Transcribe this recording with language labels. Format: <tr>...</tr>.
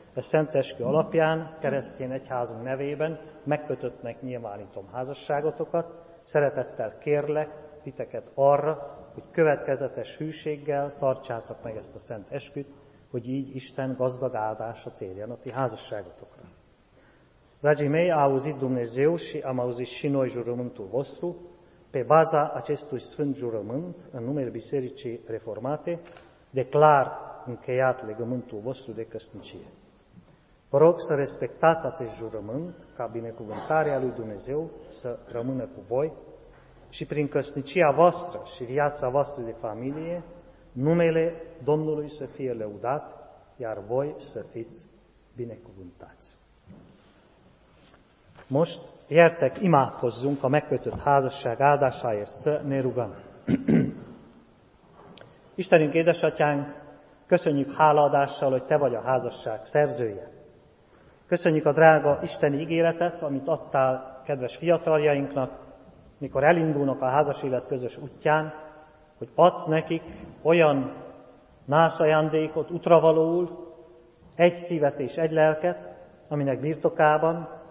<hu>A szent eskü alapján, keresztény egyházunk nevében megkötöttnek nyilvánítom házasságotokat. Szeretettel kérlek titeket arra, hogy következetes hűséggel tartsátok meg ezt a szent esküt, hogy így Isten gazdag áldása térjen a ti házasságotokra.</hu> <ro>Dragi mei, auzi Dumnezeu și am auzit și noi jurământul vostru, pe baza acestui sfânt jurământ, în numele Bisericii Reformate, declar încheiat legământul vostru de căsnicie. Vă rog să respectați acest jurământ ca binecuvântarea lui Dumnezeu să rămână cu voi și prin căsnicia voastră și viața voastră de familie, numele Domnului să fie lăudat, iar voi să fiți binecuvântați.</ro> <hu>Most, gyertek, imádkozzunk a megkötött házasság áldásáért,</hu> <ro>să ne rugăm.</ro> <hu>Istenünk, édesatyánk, köszönjük hálaadással, hogy te vagy a házasság szerzője. Köszönjük a drága isteni ígéretet, amit adtál kedves fiataljainknak, mikor elindulnak a házas élet közös útján, hogy adsz nekik olyan nászajándékot utravalóul, egy szívet és egy lelket, aminek birtokában</hu>